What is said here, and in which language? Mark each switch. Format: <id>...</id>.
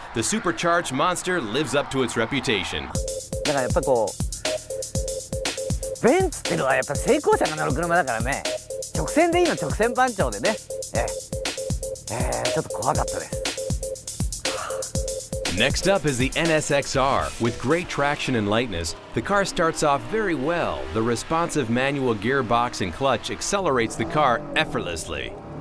<en>The supercharged monster lives up to its reputation.</en> <ja>だからやっぱこう、ベンツってのはやっぱ成功者が乗る車だからね。直線でいいの、直線番長でね。ちょっと怖かったです。</ja> <en>Next up is the NSX-R. With great traction and lightness, the car starts off very well. The responsive manual gearbox and clutch accelerates the car effortlessly.</en>